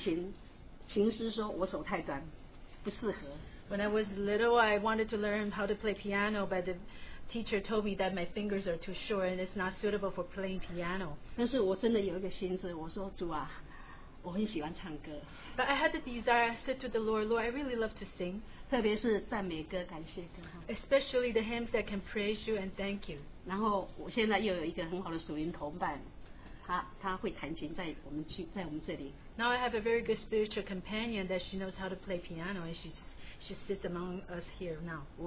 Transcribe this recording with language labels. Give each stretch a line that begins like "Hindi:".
Chinese: 虽然我小时候想学琴,琴师说我手太短, 不适合。
English: When I was little, I wanted to learn how to play piano, but the teacher told me that my fingers are too short and it's not suitable for playing piano.
Chinese: 但是我真的有一个心思,我说主啊,我很喜欢唱歌。
English: But I had the desire, I said to the Lord, Lord, I really love to sing.
Chinese: 特别是赞美歌,感谢歌,
English: especially the hymns that can praise you and thank you.
Chinese: 然后我现在又有一个很好的属灵同伴,她会弹琴在我们这里。
English: Now I have a very good spiritual companion that she knows how to play piano and she sits among us here now.